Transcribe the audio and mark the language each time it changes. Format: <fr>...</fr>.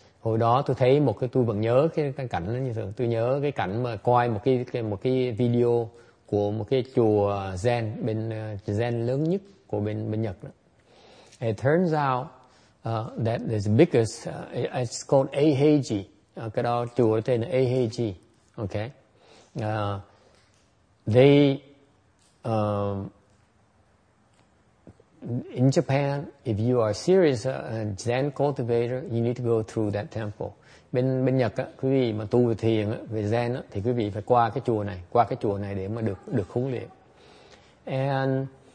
<vi>Hồi đó tôi thấy một cái, tôi vẫn nhớ cái cảnh như thường, tôi nhớ cái cảnh mà coi một cái video của một cái chùa Zen bên Zen lớn nhất của bên Nhật đó.</vi> <en>It turns out that the biggest it's called Eiheiji.</en> <vi>Cái đó chùa tên là Eiheiji.</vi> <en>Okay. They in Japan, if you are serious Zen cultivator, you need to go through that temple.</en> <vi>Bên Nhật á, quý vị mà tu về thiền về Zen á, thì quý vị phải qua cái chùa này để mà được huấn luyện.</vi>